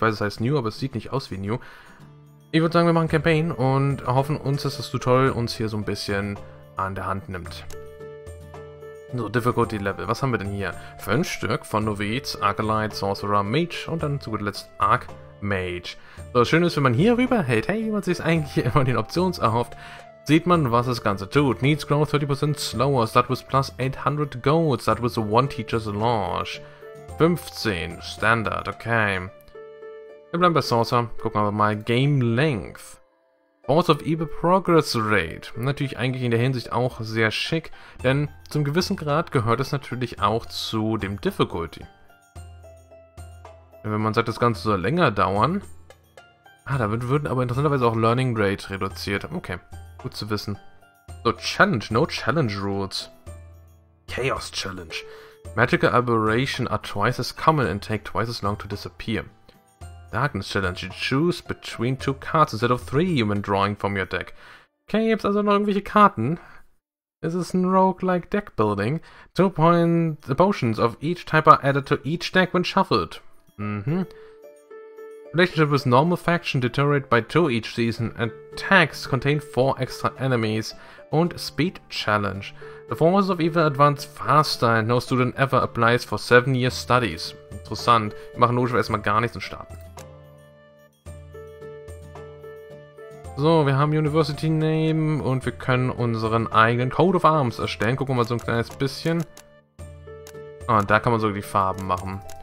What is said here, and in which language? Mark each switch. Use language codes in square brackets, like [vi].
[de] Ich weiß, es heißt New, aber es sieht nicht aus wie New. Ich würde sagen, wir machen Campaign und hoffen uns, dass das Tutorial uns hier so ein bisschen an der Hand nimmt. So, Difficulty Level. Was haben wir denn hier? 5 Stück von Novitz, Acolyte, Sorcerer, Mage und dann zu guter Letzt Arc. Mage. So, schön ist, wenn man hier rüber hält, hey, wie man sich eigentlich immer den Optionen erhofft, sieht man, was das Ganze tut. [en] Needs grow 30% slower, start with plus 800 gold, start with one teacher's launch. 15, standard, okay. [de] Wir bleiben bei Sorcerer, gucken wir mal, Game Length. Force of Evil Progress Rate. Natürlich eigentlich in der Hinsicht auch sehr schick, denn zum gewissen Grad gehört es natürlich auch zu dem Difficulty. Wenn man sagt, das Ganze soll länger dauern. Ah, da würden aber interessanterweise auch Learning Rate reduziert. Okay, gut zu wissen. So, Challenge. No Challenge Rules. Chaos Challenge. [en] Magical Aberration are twice as common and take twice as long to disappear. Darkness Challenge. You choose between two cards instead of three you've been drawing from your deck. [de] Okay, gibt's also noch irgendwelche Karten? [en] Is this a rogue-like deck building? 2 points potions of each type are added to each deck when shuffled. Mhm. Relationship with normal faction deteriorate by 2 each season. Attacks contain 4 extra enemies. Und Speed Challenge. The forces of evil advance faster and no student ever applies for 7 year studies. [de] Interessant. Wir machen logisch erstmal gar nichts und starten. So, wir haben University Name und wir können unseren eigenen Code of Arms erstellen. Gucken wir mal so ein kleines bisschen. Ah, da kann man sogar die Farben machen.